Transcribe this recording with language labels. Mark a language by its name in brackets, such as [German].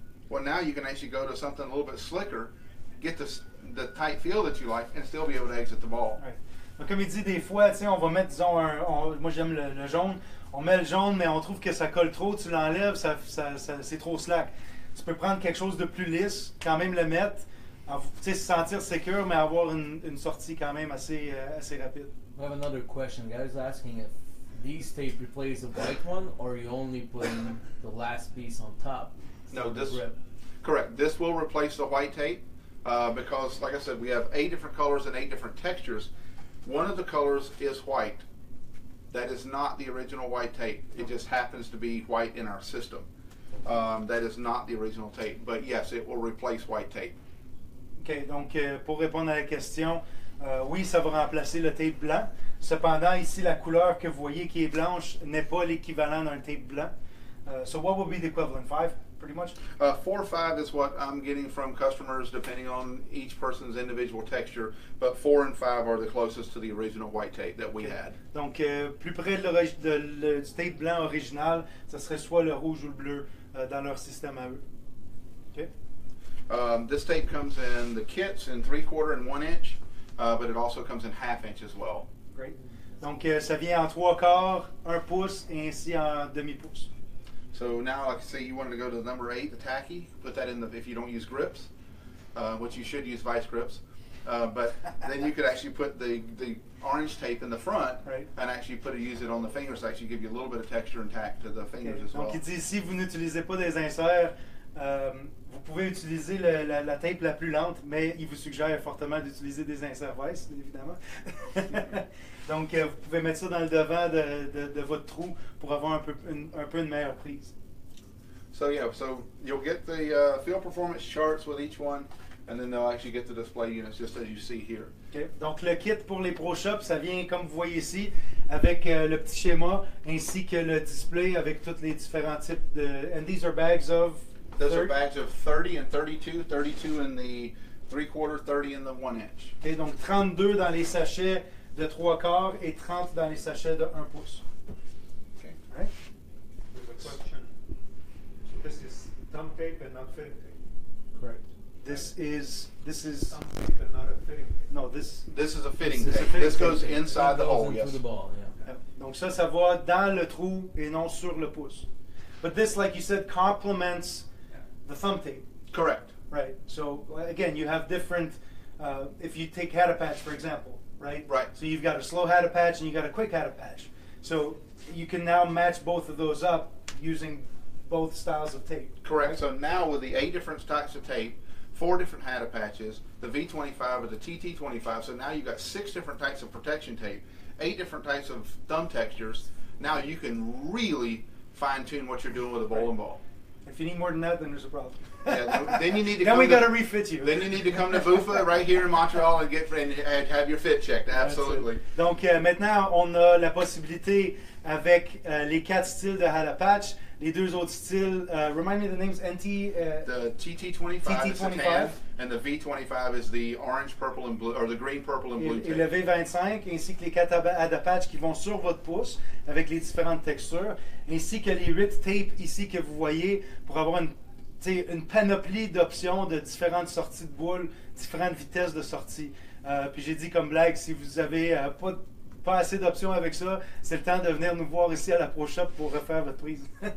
[English] Well, now you can actually go to something a little bit slicker, get the tight feel that you like, and still be able to exit the ball. Right. [French] Comme il dit, des fois, tu sais, on va mettre, disons, moi j'aime le jaune. On met le jaune, mais on trouve que ça colle trop, tu l'enlèves, ça c'est trop slack. Tu peux prendre quelque chose de plus lisse, quand même le mettre, se sentir secure, mais avoir une sortie quand même assez rapide. [English] We have another question. Guys asking if these tape replace the white one, or you only putting the last piece on top? No, this, correct. This will replace the white tape, because like I said, we have 8 different colors and 8 different textures. One of the colors is white. That is not the original white tape. It just happens to be white in our system. That is not the original tape. But yes, it will replace white tape. [French] Okay, donc pour répondre à la question, oui, ça va remplacer le tape blanc. Cependant, ici, la couleur que vous voyez qui est blanche n'est pas l'équivalent d'un tape blanc. [English] So what would be the equivalent? 5, pretty much? 4 or 5 is what I'm getting from customers, depending on each person's individual texture. But 4 and 5 are the closest to the original white tape that we had. [French] Donc, plus près de du tape blanc original, ça serait soit le rouge ou le bleu dans leur système à eux. Okay? [English] This tape comes in the kits in 3/4 and 1 inch, but it also comes in 1/2 inch as well. Great. [French] Donc, ça vient en 3/4, 1 pouce, et ainsi en demi-pouce. [English] So now, like say you wanted to go to the number 8, the tacky, put that in the, if you don't use grips, which you should use vice grips, but then you could actually put the orange tape in the front, right, and actually put it, use it on the fingers, actually give you a little bit of texture and tack to the fingers, okay, as well. [French] Donc il dit, si vous n'utilisez pas des inserts, vous pouvez utiliser la tape la plus lente, mais il vous suggère fortement d'utiliser des inserts vice, évidemment. Donc, vous pouvez mettre ça dans le devant de votre trou pour avoir un peu une meilleure prise. [English] So, yeah, so you'll get the field performance charts with each one, and then they'll actually get the display units, just as you see here. Okay. [French] Donc, le kit pour les Pro Shops, ça vient, comme vous voyez ici, avec le petit schéma, ainsi que le display avec tous les différents types de... [English] And these are bags of... Those are bags of 30 and 32, 32 in the 3/4, 30 in the 1-inch. [French] Okay, donc 32 dans les sachets de 3/4 et 30 dans les sachets de 1 pouce. [English] Okay. Right? There's a question. This is thumb tape and not fitting tape. Correct. This is thumb tape and not a fitting tape. No, this is a fitting tape. This goes inside the hole, yes. The ball, yeah. [French] Donc ça va dans le trou et non sur le pouce. [English] But this, like you said, complements the thumb tape. Correct. Right. So again, you have different, if you take hat a patch, for example, right? Right. So you've got a slow hat a patch and you got a quick hat a patch. So you can now match both of those up using both styles of tape. Correct. Right? So now with the 8 different types of tape, 4 different hat a patches, the V25 or the TT25, so now you've got 6 different types of protection tape, 8 different types of thumb textures. Now you can really fine tune what you're doing with a bowling ball. If you need more than that, then there's a problem. Yeah, then you need to. Then we got to refit you. Then you need to come to VUFA right here in Montreal and get and have your fit checked. Absolutely. [French] Donc maintenant on a la possibilité avec les 4 styles de hat a patch, les 2 autres styles. [English] Remind me the names. NT. The TT25 is the tan, and the V25 is the orange, purple, and blue, or the green, purple, and blue. [French] Et le V25 ainsi que les 4 hat a patch qui vont sur votre pouce avec les différentes textures, ainsi que les 8 tapes ici que vous voyez pour avoir une panoplie d'options de différentes sorties de boules, différentes vitesses de sortie. Puis j'ai dit comme blague, si vous avez pas assez d'options avec ça, c'est le temps de venir nous voir ici à la Pro Shop pour refaire votre prise.